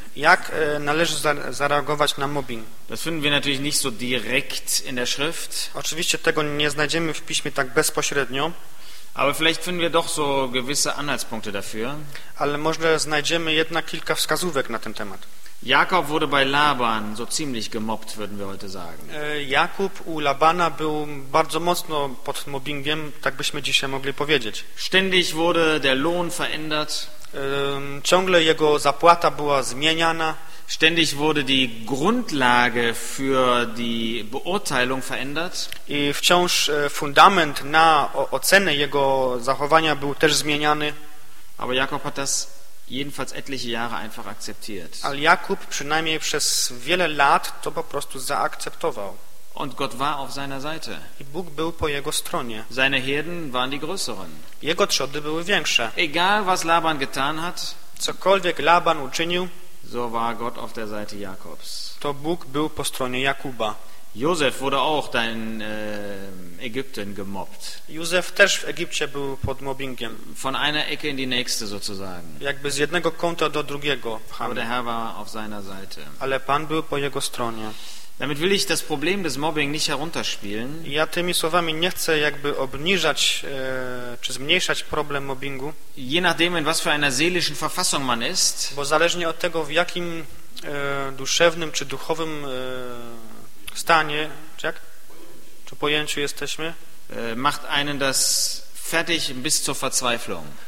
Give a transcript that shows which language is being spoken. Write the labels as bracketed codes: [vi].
[pl] Jak należy zareagować na mobbing? [de] Das finden wir natürlich nicht so direkt in der Schrift. [pl] Oczywiście tego nie znajdziemy w piśmie tak bezpośrednio. [de] Aber vielleicht finden wir doch so gewisse Anhaltspunkte dafür. [pl] Ale może znajdziemy jednak kilka wskazówek na ten temat. [de] Jakob wurde bei Laban so ziemlich gemobbt, würden wir heute sagen. [pl] Jakub u Labana był bardzo mocno pod mobbingiem, tak byśmy dzisiaj mogli powiedzieć. [de] Ständig wurde der Lohn verändert. [pl] Ciągle jego zapłata była zmieniana. [de] Ständig wurde die Grundlage für die Beurteilung verändert. [pl] I wciąż fundament na ocenę jego zachowania był też zmieniany. [de] Aber Jakob hat das jedenfalls etliche Jahre einfach akzeptiert. [pl] Ale Jakub przynajmniej przez wiele lat to po prostu zaakceptował. [de] Und Gott war auf seiner Seite. [pl] I Bóg był po jego stronie. [de] Seine Herden waren die größeren. [pl] Jego trzody były większe. [de] Egal was Laban getan hat, [pl] cokolwiek Laban uczynił, [de] so war Gott auf der Seite Jakobs. [pl] To Bóg był po stronie Jakuba. [de] Józef wurde auch in Ägypten gemobbt. [pl] Józef też w Egipcie był pod mobbingiem. [de] Von einer Ecke in die nächste sozusagen. [pl] Jakby z jednego kąta do drugiego. [de] Aber der Herr war auf seiner Seite. [pl] Ale Pan był po jego stronie. [de] Damit will ich das Problem des Mobbing nicht herunterspielen. [pl] Ja tymi słowami nie chcę jakby obniżać czy zmniejszać problem mobbingu. [de] Je nachdem, in was für einer seelischen Verfassung man ist. [pl] Bo zależnie od tego, w jakim duszewnym czy duchowym stanie, czy jak? Czy pojęciu jesteśmy? [de] Macht einen das fertig bis zur Verzweiflung.